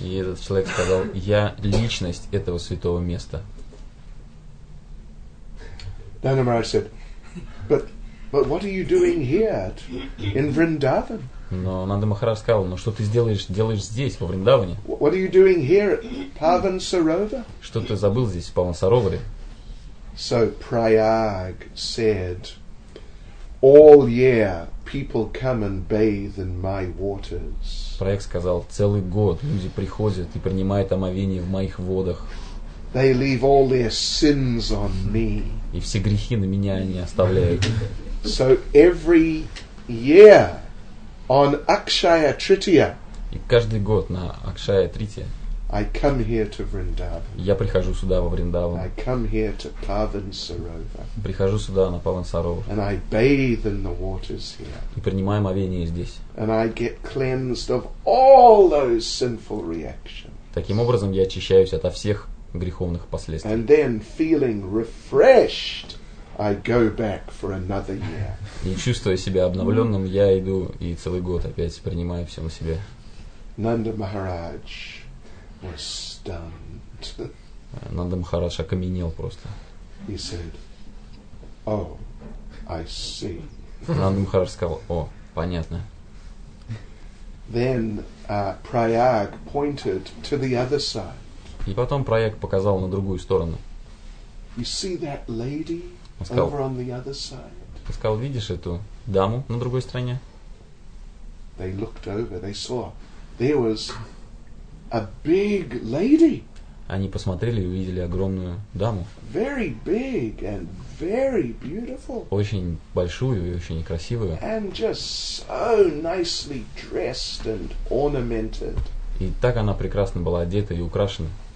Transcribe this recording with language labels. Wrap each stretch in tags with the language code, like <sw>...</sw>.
<ru>И этот человек сказал, я личность этого святого места.</ru> <en>Nanda Maharaj said, but what are you doing here in Vrindavan?</en> <ru>Но Нанда Махарадж сказал, но что ты делаешь здесь, во Вриндаване?</ru> <en>What are you doing here at Pavan Sarova?</en> <ru>Что ты забыл здесь, в Павана Сароваре?</ru> <en>So Prayag said, All year people come and bathe in my waters.</en> <ru>Проект сказал: целый год люди приходят и принимают омовение в моих водах.</ru> <en>They leave all their sins on me.</en> <ru>И все грехи на меня они оставляют.</ru> <en>So every year on Akshaya Tritiya.</en> <ru>И каждый год на Акшая Тритья.</ru> <en>I come here to Vrindavan.</en> <ru>Я прихожу сюда во Вриндаван.</ru> <en>I come here to Pavan Sarovar.</en> <ru>Прихожу сюда на Паван Саровар.</ru> <en>And I bathe in the waters here.</en> <ru>И принимаю омовение здесь.</ru> <en>And I get cleansed of all those sinful reactions.</en> <ru>Таким образом я очищаюсь ото всех греховных последствий.</ru> <en>And then feeling refreshed, I go back for another year.</en> <ru>И чувствуя себя обновленным, я иду и целый год опять принимаю все на себя.</ru> <en>Нанда Махарадж was stunned.</en> <ru>Нанда Махарадж окаменел просто.</ru> <en>He said, "Oh, I see."</en> <ru>Нанда Махарадж сказал: "О, понятно."</ru> <en>Then Prayag pointed to the other side.</en> <ru>И потом Прояк показал на другую сторону.</ru> <en>You see that lady over on the other side?</en> <ru>Он сказал: видишь эту даму на другой стороне?</ru> <en>They looked over, they saw there was a big lady.</en> <ru>Они посмотрели и увидели огромную даму.</ru> <en>Very big and very beautiful.</en> <ru>Очень большую и очень красивую.</ru> <en>And just so nicely dressed and ornamented.</en> <ru>И так она прекрасно была одета и украшена.</ru>